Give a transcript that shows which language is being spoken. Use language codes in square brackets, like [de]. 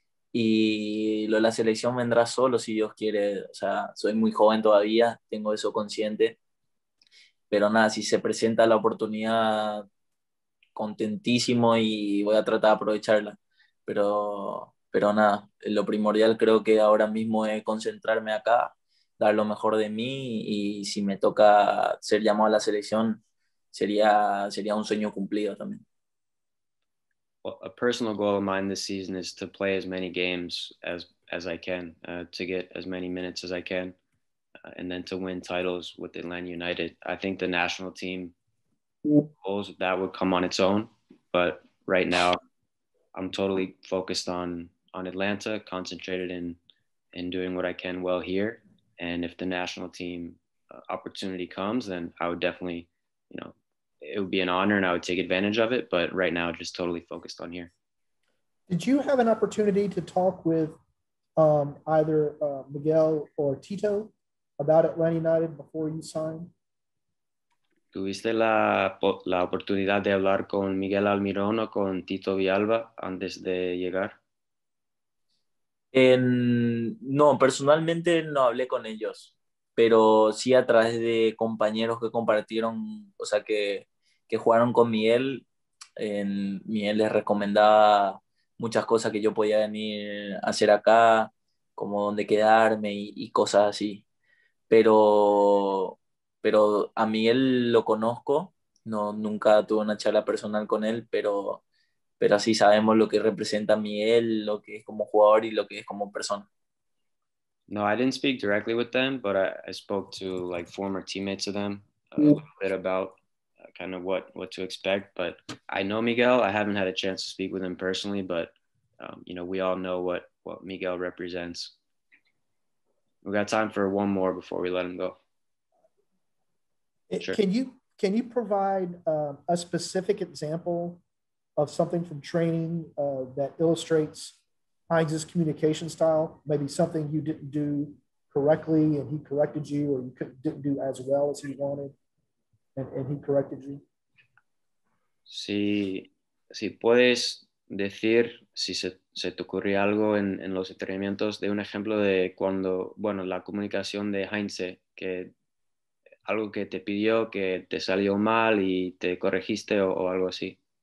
[es] Y la selección vendrá solo si Dios quiere, o sea, soy muy joven todavía, tengo eso consciente, pero nada, si se presenta la oportunidad, contentísimo y voy a tratar de aprovecharla, pero nada, lo primordial creo que ahora mismo es concentrarme acá, dar lo mejor de mí y si me toca ser llamado a la selección, sería un sueño cumplido también. [en] A personal goal of mine this season is to play as many games as I can, to get as many minutes as I can, and then to win titles with Atlanta United. I think the national team goals, that would come on its own. But right now, I'm totally focused on Atlanta, concentrated in doing what I can well here. And if the national team opportunity comes, then I would definitely, you know, it would be an honor and I would take advantage of it, but right now just totally focused on here. Did you have an opportunity to talk with either Miguel or Tito about Atlanta United before you signed? [es] ¿Tuviste la oportunidad de hablar con Miguel Almirón o con Tito Villalba antes de llegar? No, personalmente no hablé con ellos, pero sí a través de compañeros que compartieron, o sea, que jugaron con Miguel. Miguel les recomendaba muchas cosas que yo podía venir a hacer acá, como dónde quedarme y cosas así. Pero a Miguel lo conozco, no, nunca tuve una charla personal con él, pero así sabemos lo que representa Miguel, lo que es como jugador y lo que es como persona. [en] No, I didn't speak directly with them, but I spoke to like former teammates of them a bit about kind of what to expect. But I know Miguel. I haven't had a chance to speak with him personally, but you know, we all know what Miguel represents. We got time for one more before we let him go. Sure. Can you provide a specific example of something from training that illustrates Hines' communication style, maybe something you didn't do correctly and he corrected you, or you didn't do as well as he wanted and he corrected you? [es] Si puedes decir, si se te ocurre algo en los entrenamientos, de un ejemplo de cuando, bueno, la comunicación de Hines, que algo que te pidió que te salió mal y te corregiste o algo así.